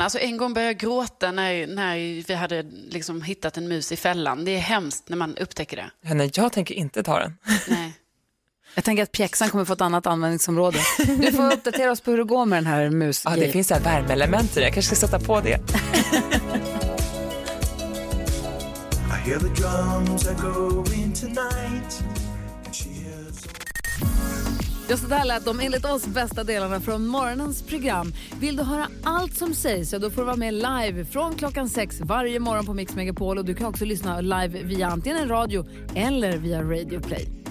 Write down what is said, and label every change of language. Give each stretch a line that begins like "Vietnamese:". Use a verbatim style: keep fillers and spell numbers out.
Swedish: Alltså en gång började jag gråta när, när vi hade liksom hittat en mus i fällan. Det är hemskt när man upptäcker det. Ja, nej, jag tänker inte ta den. Nej. Jag tänker att pjäxan kommer få ett annat användningsområde. Du får uppdatera oss på hur det går med den här musen. Ja, det finns här värmeelement i det. Jag kanske ska sätta på det.
English: I hear the drums that go in tonight.
Swedish: Just det där lät de enligt oss bästa delarna från morgonens program. Vill du höra allt som sägs, så då får du vara med live från klockan sex varje morgon på Mix Megapol. Och du kan också lyssna live via antingen radio eller via Radio Play.